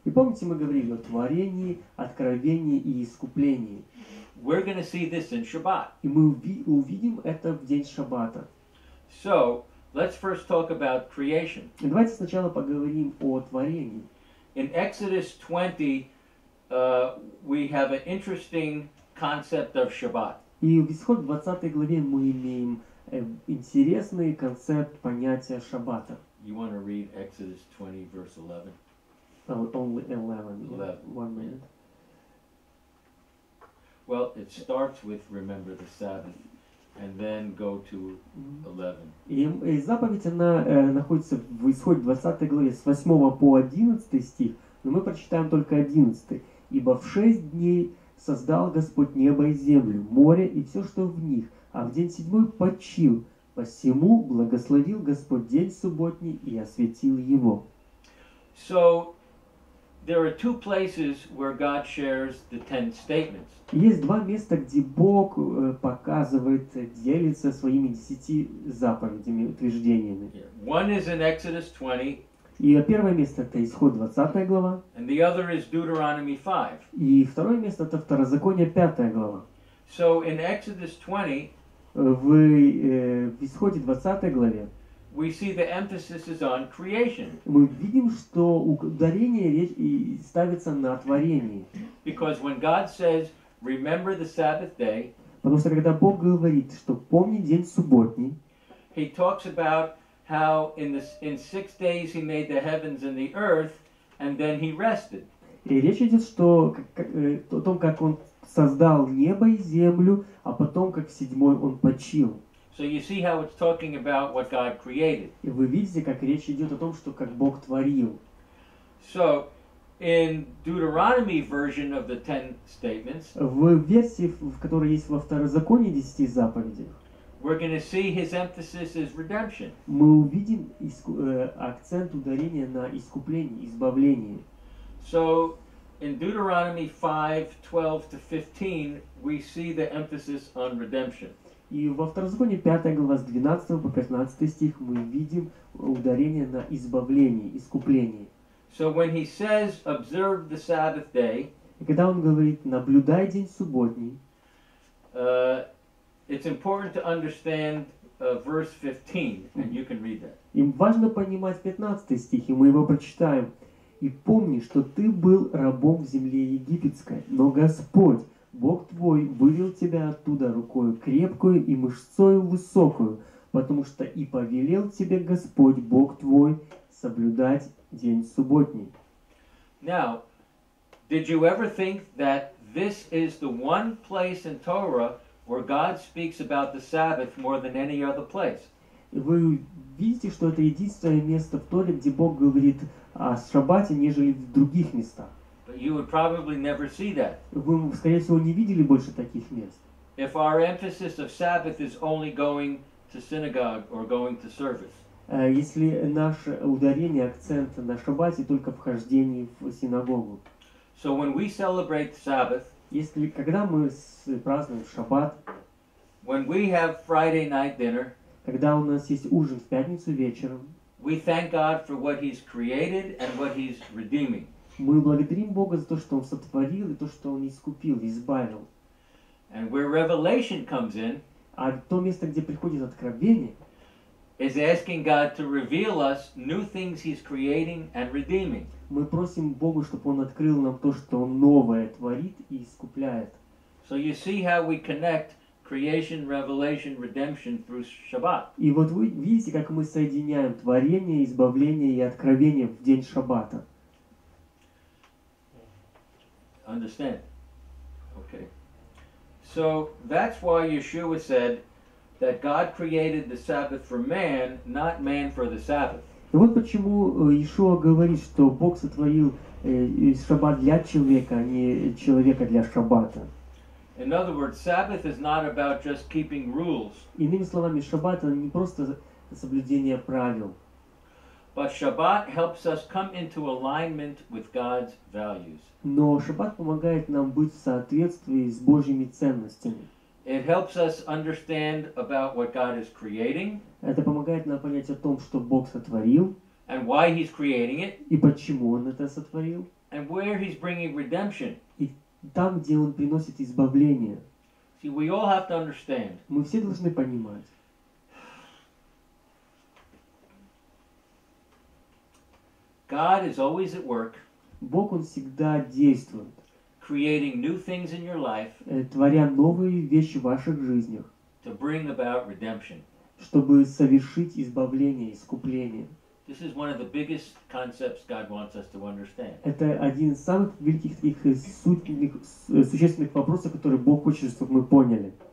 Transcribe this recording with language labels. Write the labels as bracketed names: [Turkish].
[Russian] И помните, мы говорили о творении, откровении и искуплении. [English] We're going to see this in Shabbat. [Russian] И мы увидим это в день Шаббата. [English] So, let's first talk about creation. [Russian] И давайте сначала поговорим о творении. [English] In Exodus 20, we have an interesting concept of Shabbat. [Russian] И в Исход 20 главе мы имеем интересный концепт понятия Шаббата. [English] You want to read Exodus 20, verse 11? only 11. 11. 1 minute. Well, it starts with remember the Sabbath, and then go to 11. [Russian] И заповедь, она находится в исходе 20 главе с 8 по 11 стих, но мы прочитаем только 11. Ибо в 6 дней создал Господь небо и землю, море и все, что в них, а в день седьмой почил. Посему благословил Господь день субботний и освятил его. [English] So, there are two places where God shares the ten statements. [Russian] Есть два места, где Бог показывает, делится своими десяти заповедями, утверждениями. [English] One is in Exodus 20. [Russian] И первое место — это Исход 20 глава. [English] And the other is Deuteronomy 5. [Russian] И второе место — это Второзаконие 5 глава. [English] So, in Exodus 20, [Russian] в Исходе 20 главе [English] we see the emphasis is on creation. [Russian] Мы видим, что ударение ставится на творении. [English] Because when God says, remember the Sabbath day, [Russian] потому что когда Бог говорит, что помни день субботний, [English] He talks about how in 6 days He made the heavens and the earth, and then He rested. [Russian] И речь идет о том, как Он создал небо и землю, а потом, как в седьмой, Он почил. [English] So you see how it's talking about what God created. [Russian] И вы видите, как речь идет о том, что как Бог творил. [English] So, in Deuteronomy version of the ten statements, [Russian] в версии, в которой есть во Второзаконии 10 заповедей, [English] we're going to see his emphasis is redemption. [Russian] Мы увидим акцент ударения на искупление, избавление. [English] So, in Deuteronomy 5:12-15, we see the emphasis on redemption. [Russian] И во Второзаконии 5 глава с 12 по 15 стих мы видим ударение на избавление, искупление. [English] So when he says, observe the Sabbath day, [Russian] и когда он говорит, наблюдай день субботний, [English] it's important to understand verse 15, and you can read that. [Russian] Им важно понимать 15 стих, и мы его прочитаем. И помни, что ты был рабом в земле египетской, но Господь, Бог твой, вывел тебя оттуда рукою крепкую и мышцою высокую, потому что и повелел тебе Господь, Бог твой, соблюдать день субботний. [English] Now, did you ever think that this is the one place in Torah where God speaks about the Sabbath more than any other place? [Russian] Вы видите, что это единственное место в Торе, где Бог говорит о Шаббате, нежели в других местах. [English] But you would probably never see that. [Russian] Вы, скорее всего, не видели больше таких мест. [English] If our emphasis of Sabbath is only going to synagogue or going to service. [Russian] Если наше ударение, акцент на Шаббате только вхождение в синагогу. [English] So when we celebrate Sabbath, [Russian] если когда мы празднуем Шаббат, [English] when we have Friday night dinner, [Russian] когда у нас есть ужин в пятницу вечером, [English] we thank God for what He's created and what He's redeeming. [Russian] Мы благодарим Бога за то, что Он сотворил и то, что Он искупил, избавил. [English] And where revelation comes in, [Russian] а то место, где приходит откровение, [English] is asking God to reveal us new things He's creating and redeeming. [Russian] Мы просим Бога, чтобы Он открыл нам то, что Он новое творит и искупляет. [English] So you see how we connect creation, revelation, redemption through Shabbat. [Russian] И вот вы видите, как мы соединяем творение, избавление и откровение в день Шаббата. [English] Understand? Okay. So that's why Yeshua said that God created the Sabbath for man, not man for the Sabbath. [Russian] И вот почему Иешуа говорит, что Бог сотворил Шаббат для человека, а не человека для Шаббата. [English] In other words, Sabbath is not about just keeping rules. [Russian] Иными словами, Шаббат — это не просто соблюдение правил. [English] But Shabbat helps us come into alignment with God's values. [Russian] Но Шаббат помогает нам быть в соответствии с Божьими ценностями. [English] It helps us understand about what God is creating. [Russian] Это помогает нам понять о том, что Бог сотворил. [English] And why He's creating it. [Russian] И почему Он это сотворил. [English] And where He's bringing redemption. [Russian] Там, где Он приносит избавление. [English] See, we all have to understand. [Russian] Мы все должны понимать. [English] God is always at work. [Russian] Бог, Он всегда действует. [English] Creating new things in your life. [Russian] Творя новые вещи в ваших жизнях. [English] To bring about redemption. [Russian] Чтобы совершить избавление, искупление. [English] This is one of the biggest concepts God wants us to understand. [Russian] Это один из самых великих таких сутных, существенных вопросов, которые Бог хочет, чтобы мы поняли.